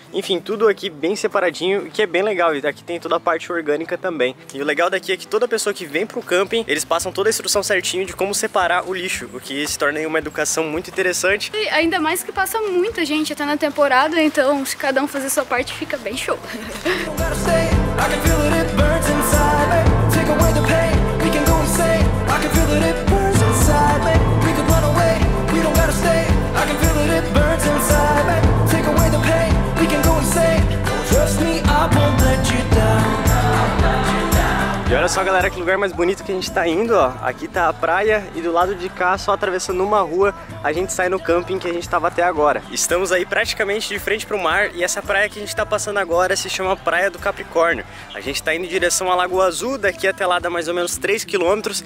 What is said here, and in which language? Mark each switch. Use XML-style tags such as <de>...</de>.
<pt>Enfim, tudo aqui bem separadinho, que é bem legal. E aqui tem toda a parte orgânica também. E o legal daqui é que toda pessoa que vem pro camping, eles passam toda a instrução certinho de como separar o lixo, o que se torna uma educação muito interessante. E ainda mais que passa muita gente até na temporada, então se cada um fazer a sua parte, fica bem show.</pt> <en>I can feel that it burns inside me. Take away the pain, we can go insane. I can feel that it burns inside me. We could run away, we don't gotta stay. I can feel that it burns inside me. Take away the pain, we can go insane. Trust me, I won't let you down.</en> <pt>E olha só, galera, que lugar mais bonito que a gente tá indo, ó. Aqui tá a praia e do lado de cá, só atravessando uma rua, a gente sai no camping que a gente tava até agora. Estamos aí praticamente de frente pro mar e essa praia que a gente tá passando agora se chama Praia do Capricórnio. A gente tá indo em direção à Lagoa Azul, daqui até lá dá mais ou menos 3 quilômetros.</pt>